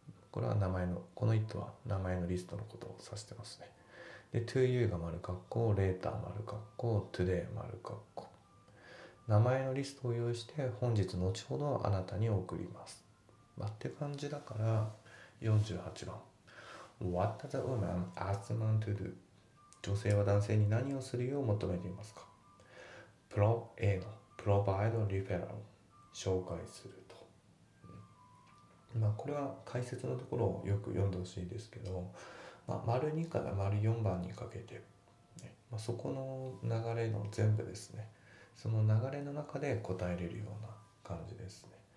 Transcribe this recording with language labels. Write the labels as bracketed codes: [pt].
[ja] これは名前の、この it は名前のリストのことを指してますね。で、 [en] to you [ja] が丸括弧、later 丸括弧、today 丸括弧。名前のリストを用意して、本日後ほどあなたに送ります。まあ、って感じだから、48番。 [en] What does a woman ask man to do? [ja] 女性は男性に何をするよう求めていますか？ Pro A の [en] provide referral [ja] 紹介すると。まあ、これは解説のところをよく読んでほしいですけど、まあ、丸2から丸4番にかけて、ね、まあ、そこの流れの全部ですね、その流れの中で答えれるような感じですね。